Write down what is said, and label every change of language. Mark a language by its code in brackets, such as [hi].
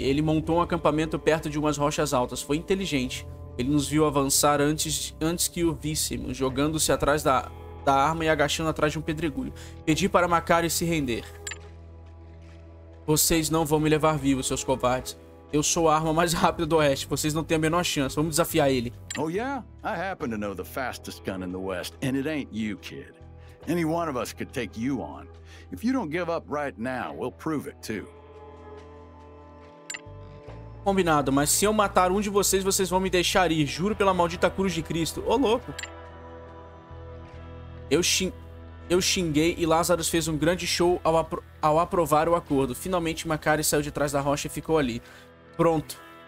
[pt] Ele montou um acampamento perto de umas rochas altas. Foi inteligente. Ele nos viu avançar antes que o víssemos, jogando-se atrás da arma e agachando atrás de um pedregulho. Pedi para McCarty se render. Vocês não vão me levar vivo, seus covardes. Eu sou a arma mais rápida do Oeste. Vocês não têm a menor chance. Vamos desafiar ele. [en] Oh, yeah? I happen to know the fastest gun in the West, and it ain't you, kid. Any one of us could take you on. If you don't give up right now, we'll prove it too. [pt] Combinado, mas se eu matar um de vocês, vocês vão me deixar ir. Juro pela maldita cruz de Cristo. Ô, louco. Eu xinguei e Lazarus fez um grande show ao aprovar o acordo. Finalmente, McCarty saiu de trás da rocha e ficou ali. Pronto.